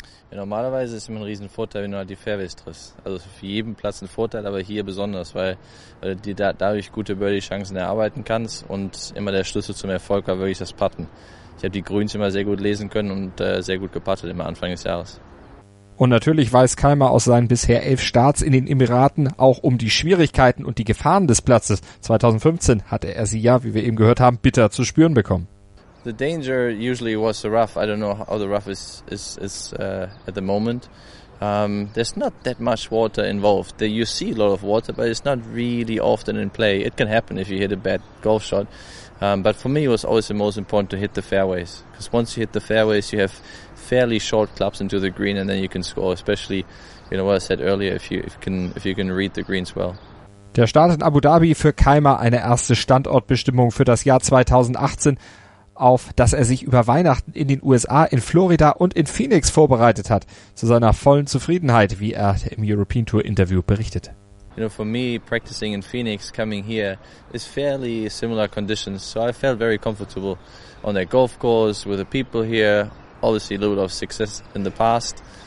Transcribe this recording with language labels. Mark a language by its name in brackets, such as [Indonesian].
[German] Ja, normalerweise ist es immer ein Riesenvorteil, wenn du halt die Fairways triffst. Also für jeden Platz ein Vorteil, aber hier besonders, weil du dir dadurch gute Birdie-Chancen erarbeiten kannst und immer der Schlüssel zum Erfolg war wirklich das Putten. Ich habe die Grüns immer sehr gut lesen können und sehr gut geputtet immer Anfang des Jahres. Und natürlich weiß Keimer aus seinen bisher 11 Starts in den Emiraten auch um die Schwierigkeiten und die Gefahren des Platzes. 2015 hatte er sie ja, wie wir eben gehört haben, bitter zu spüren bekommen. [English] The danger usually was the rough. I don't know how the rough is at the moment. There's not that much water involved. You see a lot of water, but it's not really often in play. It can happen if you hit a bad golf shot. But for me, it was always the most important to hit the fairways. Because once you hit the fairways, you have fairly short clubs into the green, and then you can score. Especially, you know what I said earlier, if you can read the greens well. [German] Der Start in Abu Dhabi für Keimer eine erste Standortbestimmung für das Jahr 2018. Auf dass er sich über Weihnachten in den USA, in Florida und in Phoenix vorbereitet hat, zu seiner vollen Zufriedenheit, wie er im European Tour Interview berichtet. [English] You know, for me, practicing in Phoenix, coming here, is fairly similar conditions. So I felt very comfortable on that golf course, with the people here, obviously a little bit of success in the past.